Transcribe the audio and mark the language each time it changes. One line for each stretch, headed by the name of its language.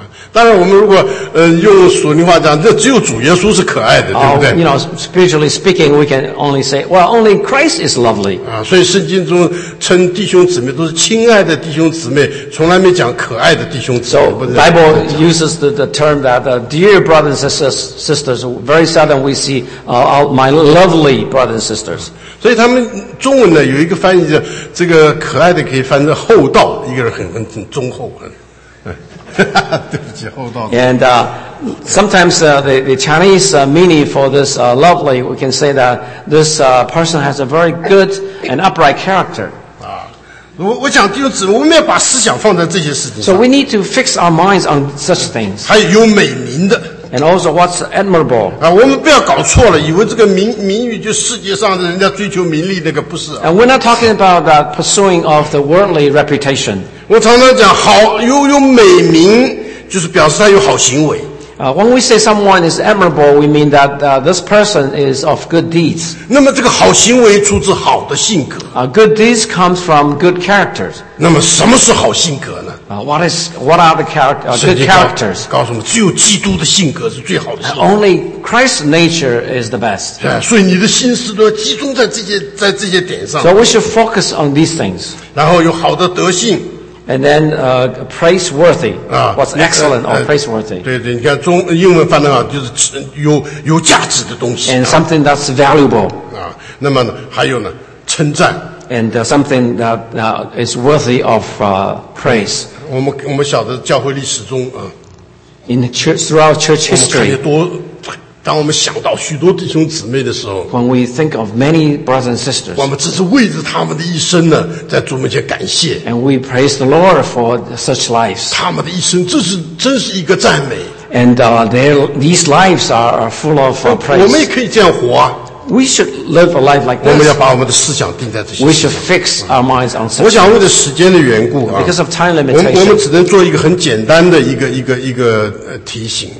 Chinese: 当然我们如果用属灵话讲，这只有主耶稣是可爱的，对不对？
English: You know, spiritually speaking, we can only say, well, only Christ is lovely.
Chinese: 啊，所以圣经中称弟兄姊妹都是亲爱的弟兄姊妹，从来没讲可爱的弟兄姊妹。
English: So, Bible uses the term that dear brothers and sisters, very seldom we see my lovely brothers and sisters.
Chinese: 所以他们中文呢，有一个翻译叫这个可爱的可以翻译厚道，一个人很忠厚。
English: And sometimes the Chinese meaning for this lovely, we can say that this person has a very good and upright character.
Chinese: 啊，我讲弟兄姊妹，我们要把思想放在这些事情。
English: So we need to fix our minds on such things.
Chinese: 还有美名的。
English: And also, what's admirable?
Chinese: 啊，我们不要搞错了，以为这个名誉就世界上的人家追求名利那个不是。
English: And we're not talking about that pursuing of the worldly reputation.
Chinese: 我常常讲，好有美名，就是表示他有好行为。
English: When we say someone is admirable, we mean that this person is of good deeds.
Chinese: 那么这个好行为出自好的性格。
English: Good deeds comes from good characters.
Chinese: 那么什么是好性格呢？
English: What are the good characters?
Chinese: 告诉我们，只有基督的性格是最好的性格。
English: Only Christ's nature is the best.
Chinese: 所以你的心思都要集中在这些点上。
English: So we should focus on these things.
Chinese: 然后有好的德性。
English: And then praiseworthy, 啊, what's excellent or praiseworthy.
Chinese: 对对，你看中英文翻的好，就是有价值的东西。
English: And something that's valuable.
Chinese: 啊，那么呢，还有呢，称赞。
English: And something that is worthy of praise.
Chinese: 我们晓得教会历史中啊。
English: In throughout church history.
Chinese: 我们看见多，当我们想到许多弟兄姊妹的时候。
English: When we think of many brothers and sisters.
Chinese: 我们只是为着他们的一生呢，在主面前感谢。
English: And we praise the Lord for such lives.
Chinese: 他们的一生，这是真是一个赞美。
English: And these lives are full of praise.
Chinese: 我们也可以这样活啊。
English: We should live a life like this.
Chinese: 我们要把我们的思想定在这些。
English: We should fix our minds on something.
Chinese: 我想为了时间的缘故啊。
English: Because of time limitation.
Chinese: 我们只能做一个很简单的一个提醒。